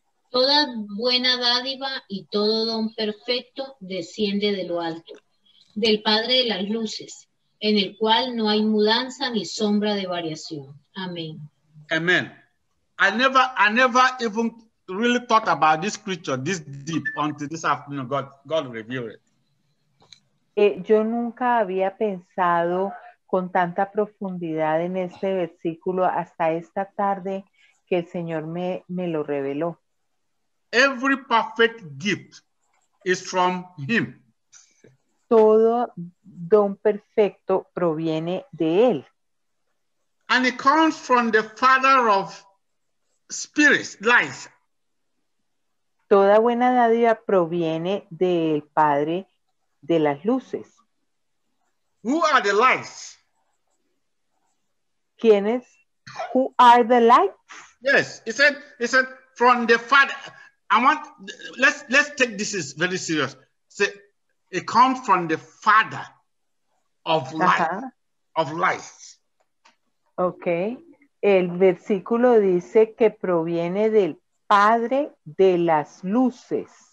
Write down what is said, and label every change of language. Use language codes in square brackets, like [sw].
[es] Toda buena dádiva y todo don perfecto desciende de lo alto, del Padre de las luces, en el cual no hay mudanza ni sombra de variación. Amén. [en] Amen. I never even really thought about this scripture this deep until this afternoon. God revealed it. [es] Yo nunca había pensado con tanta profundidad en este versículo hasta esta tarde que el Señor me lo reveló. [en] Every perfect gift is from Him. [es] Todo don perfecto proviene de Él. [en] And it comes from the Father of spirits, life. [es] Toda buena dádiva proviene del Padre de las luces. [en] Who are the lights? [es] ¿Quiénes? [en] Who are the lights? Yes, he said from the Father. Let's take this is very serious. Say, it comes from the Father of life. Uh-huh. Of life. Okay. [es] El versículo dice que proviene del Padre de las luces.